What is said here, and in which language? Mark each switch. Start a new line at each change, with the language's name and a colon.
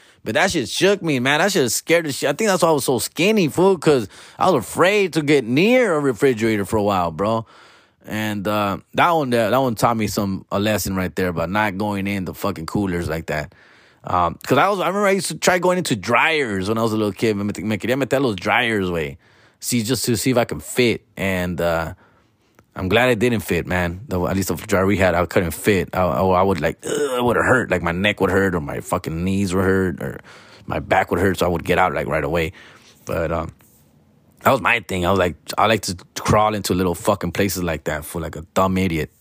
English: But that shit shook me, man. That shit scared the shit. I think that's why I was so skinny, fool, because I was afraid to get near a refrigerator for a while, bro. And that one taught me a lesson right there about not going in the fucking coolers like that. Cause I remember I used to try going into dryers when I was a little kid.
Spanish: Me quería meter los dryers, way.
English: See, just to see if I can fit. And, I'm glad I didn't fit, man. At least the dryer we had, I couldn't fit. I would like, it would hurt. Like my neck would hurt or my fucking knees would hurt or my back would hurt. So I would get out like right away. But that was my thing. I was like, I like to crawl into little fucking places like that for like a dumb idiot.